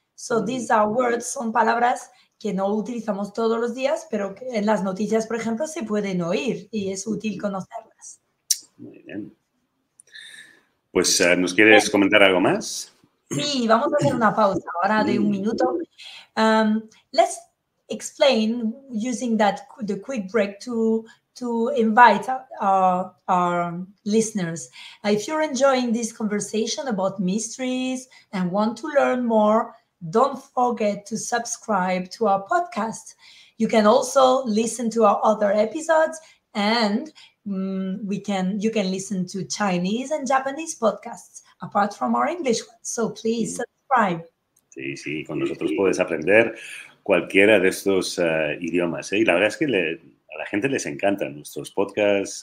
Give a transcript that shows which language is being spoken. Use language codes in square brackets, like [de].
[en] So these are words, [es] son palabras que no utilizamos todos los días, pero que en las noticias, por ejemplo, se pueden oír y es útil conocerlas. Muy bien. Pues, ¿nos quieres comentar algo más? Sí, vamos a hacer una pausa ahora de un minuto. [en] Let's explain using that the quick break to invite our listeners. If you're enjoying this conversation about mysteries and want to learn more, don't forget to subscribe to our podcast. You can also listen to our other episodes, and you can listen to Chinese and Japanese podcasts apart from our English ones. So please subscribe. [es] Sí, sí, con nosotros puedes aprender cualquiera de estos idiomas, ¿eh? Y la verdad es que a la gente les encantan nuestros podcasts.